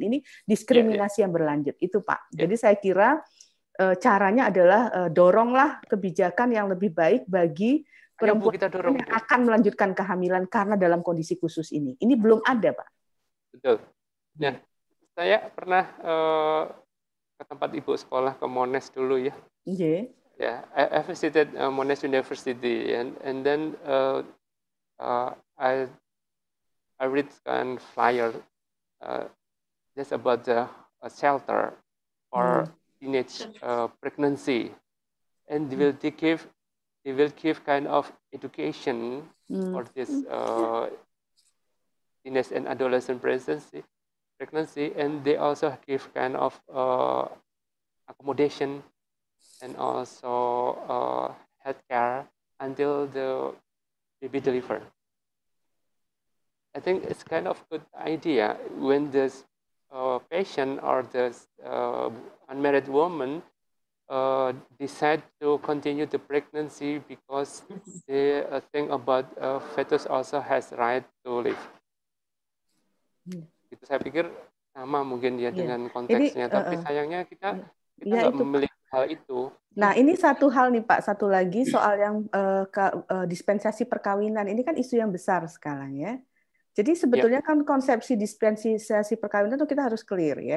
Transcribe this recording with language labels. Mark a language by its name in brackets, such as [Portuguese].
[Indonesian] Ini diskriminasi yang berlanjut, itu Pak. Jadi saya kira caranya adalah doronglah kebijakan yang lebih baik bagi perempuan kita dorong, yang akan melanjutkan kehamilan karena dalam kondisi khusus ini. Ini belum ada, Pak. Betul. Ya. Saya pernah ke tempat ibu sekolah, ke Monash dulu ya. Iya. [English] Yeah. I visited Monash University and then I read a flyer just about a shelter for teenage pregnancy, and they will give kind of education for this teenage and adolescent pregnancy, and they also give kind of accommodation and also healthcare until the baby delivered. I think it's kind of a good idea when this patient or this unmarried woman decide to continue the pregnancy because they think about fetus also has right to live. [Indonesian] Itu saya pikir sama mungkin ya dengan konteksnya. Jadi, tapi sayangnya kita nggak memiliki hal itu. Nah, ini satu hal nih Pak, satu lagi soal yang dispensasi perkawinan. Ini kan isu yang besar skalanya. Jadi sebetulnya kan konsepsi dispensasi perkawinan itu kita harus clear ya.